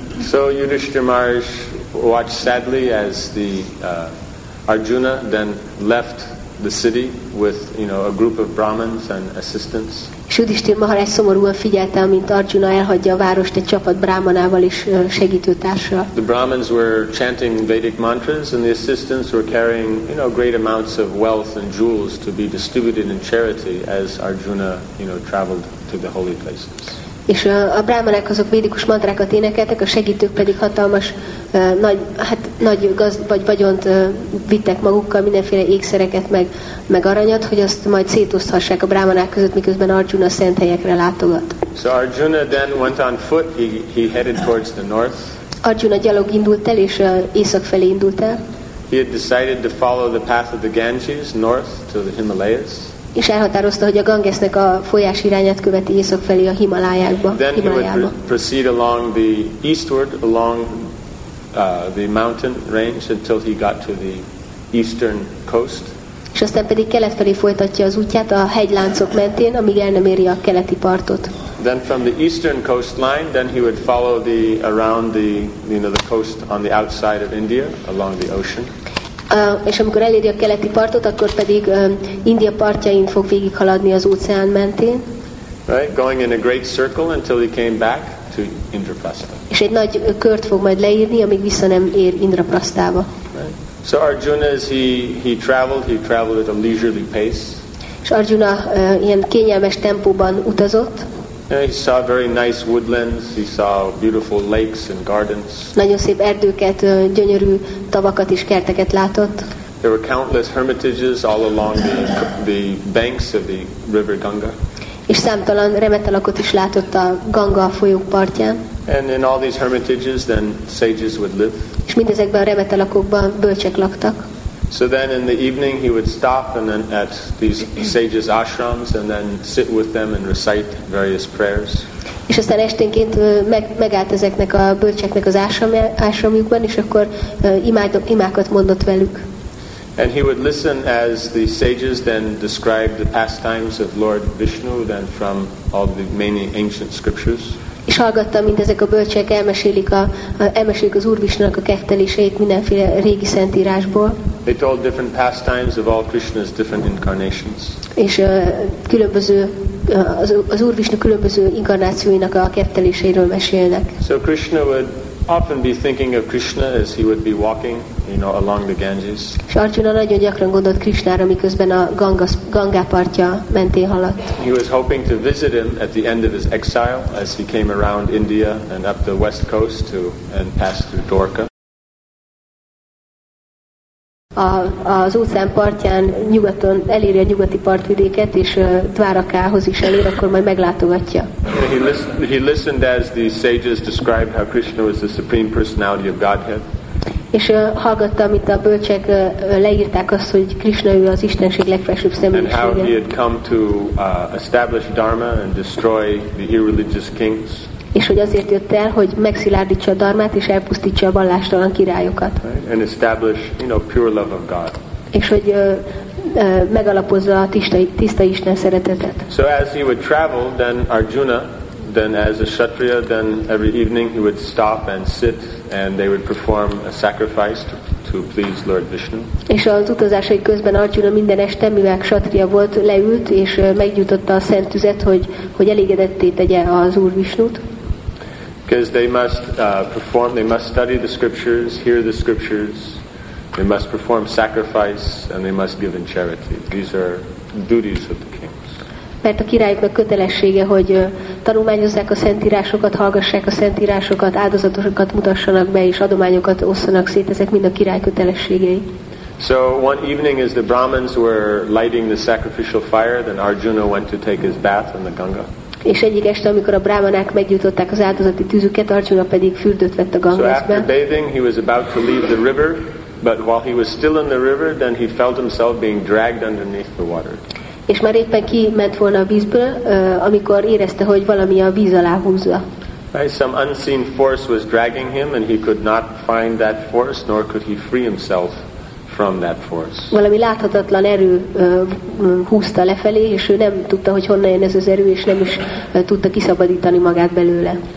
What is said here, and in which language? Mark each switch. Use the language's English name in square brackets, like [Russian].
[English] So Yudhishthira Maharaj watched sadly as the Arjuna then left the city with a group of Brahmins and assistants. [Hungarian] És Yudhishthira Maharaj szomorúan figyelte, amint Arjuna elhagyja a várost egy csapat Brahmanával és segítőtársa. [English] The Brahmins were chanting Vedic mantras and the assistants were carrying great amounts of wealth and jewels to be distributed in charity as Arjuna traveled to the holy places. [Hungarian] És a Brahmanák azok védikus mantrákat énekeltek, a segítők pedig hatalmas nagy vagyont vittek magukkal, mindenféle ékszereket meg aranyat, hogy azt majd szétoszthassák a brámanák között, miközben Arjuna szent helyekre látogat. [English] So Arjuna then went on foot, he headed towards the north. [Hungarian] Arjuna gyalog indult el, és észak felé indult el. [English] He had decided to follow the path of the Ganges north to the Himalayas. [Hungarian] És elhatározta, hogy a Gangesnek a folyás irányát követi észak felé a Himalájába. [English] Then he would proceed along the eastward along the mountain range until he got to the eastern coast. [Hungarian] És aztán pedig kelet felé folytatja az útját a hegyláncok mentén, amíg el nem éri a keleti partot. [English] Then from the eastern coastline, then he would follow the around the the coast on the outside of India along the ocean. [Hungarian] És amikor eléri a keleti partot, akkor pedig India partjain fog végighaladni az óceán mentén. [English] Right, going in a great circle until he came back to Indraprastha. [Hungarian] És egy nagy kört fog majd leírni, amíg vissza nem ér Indraprasthába. [English] Right. So Arjuna, as he traveled at a leisurely pace. [Hungarian] És Arjuna ilyen kényelmes tempóban utazott. [English] He saw very nice woodlands. He saw beautiful lakes and gardens. [Hungarian] Nagyon szép erdőket, gyönyörű tavakat és kerteket látott. [English] There were countless hermitages all along the banks of the river Ganga. [Hungarian] És számtalan remetelakot is látott a Ganga folyó partján. [English] And in all these hermitages, then sages would live. [Hungarian] És mindezekben a remetelakokban bölcsek laktak. [English] So then in the evening he would stop and then at these sages' ashrams and then sit with them and recite various prayers. [Hungarian] És aztán esténként megállt ezeknek a bölcseknek az ashramjukban, és akkor imákat mondott velük. [English] And he would listen as the sages then described the pastimes of Lord Vishnu then from all the many ancient scriptures. [Hungarian] És hallgatta, mint ezek a bölcsek elmesélik az Úr Visnának a kefteléseit mindenféle régi szentírásból. [English] They told different pastimes of all Krishna's different incarnations. [Hungarian] És különböző az Úr Visna különböző inkarnációinak a kefteléseiről mesélnek. [English] So Krishna would often be thinking of Krishna as he would be walking, you know, along the Ganges. [Hungarian] És Arjuna nagyon gyakran gondolt Krishnára, miközben a Ganga partja mentén haladt. [English] He was hoping to visit him at the end of his exile as he came around India and up the west coast to and passed through Dwarka. [Hungarian] Az óceán partján nyugaton eléri a nyugati partvidéket és Dvárakához is elér, akkor majd meglátogatja. [English] He listened as the sages described how Krishna was the supreme personality of Godhead. [Hungarian] És hallgatta, amit a bölcsek leírták azt, hogy Krishna ő az Istenség legfelsőbb személyisége. [English] And how he had come to establish Dharma and destroy the irreligious kings. [Hungarian] És hogy azért jött el, hogy megszilárdítsa a dharmát és elpusztítsa a vallástalan királyokat. [English] Right. And establish, you know, pure love of God. [Hungarian] És hogy megalapozza a tiszta Isten szeretetet. [English] So as he would travel, then Arjuna, then as a kshatriya, then every evening he would stop and sit and they would perform a sacrifice to please Lord Vishnu. [Hungarian] És az utazásai közben Arjuna minden este, mivel kshatriya volt, leült és meggyújtotta a szent tüzet, hogy elégedetté tegye az Úr Vishnut. [English] Because they must perform, they must study the scriptures, hear the scriptures, they must perform sacrifice, and they must give in charity. These are duties of the kings. [Hungarian] Mert a királyoknak kötelessége, hogy tanulmányozzák a szentírásokat, hallgassák a szentírásokat, áldozatokat mutassanak be, és adományokat osszanak szét, ezek mind a király kötelességei. [English] So one evening as the Brahmins were lighting the sacrificial fire, then Arjuna went to take his bath in the Ganga. [Hungarian] És egyik este, amikor a brahmanák meggyújtották az áldozati tüzüket, Arjuna pedig fürdőt vett a Gangesben. [English] So after bathing, he was about to leave the river, but while he was still in the river, then he felt himself being dragged underneath the water. [Hungarian] És már éppen kiment volna a vízből, amikor érezte, hogy valami a víz alá húzza. [English] Right, some unseen force was dragging him, and he could not find that force, nor could he free himself from that force. [Hungarian] Valami láthatatlan erő húzta lefelé, és ő nem tudta, hogy honnan jön ez az erő, és nem is tudta kiszabadítani magát belőle.